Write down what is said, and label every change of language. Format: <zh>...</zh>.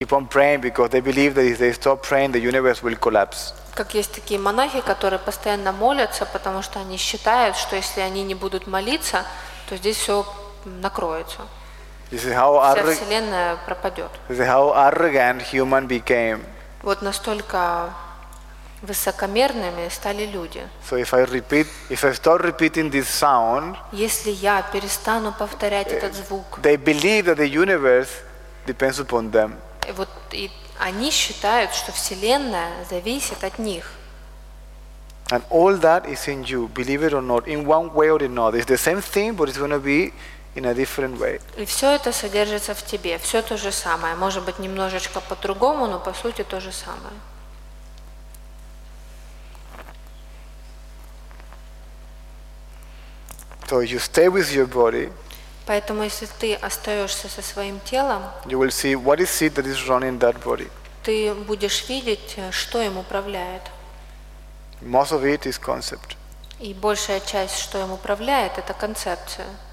<en>keep on praying because they believe that if they stop praying, the universe will collapse.</en> <ru>Как есть такие монахи, которые постоянно молятся, потому что они считают, что если они не будут молиться, то здесь все накроется.</ru> <en>This is how</en> <ru>вся вселенная пропадет.</ru> <en>This is how arrogant human became.</en> <ru>Вот настолько высокомерными стали люди.</ru> <en>So if I start repeating this sound,</en> <ru>если я перестану повторять этот звук,</ru> <en>they believe that the universe depends upon them.</en> <ru>Вот и они считают, что вселенная зависит от них.</ru> <en>And all that is in you, believe it or not, in one way or another. It's the same thing, but it's going to be in a different way.</en> <ru>И все это содержится в тебе, все то же самое, может быть немножечко по-другому, но по сути то же самое.</ru> <en>So you stay with your body.</en> <ru>Поэтому, если ты остаешься со своим телом,</ru> <en>you will see what is it that is running that body.</en> <ru>Ты будешь видеть, что им управляет.</ru> <en>Most of it is concept.</en> <ru>И большая часть, что им управляет, это концепция.</ru>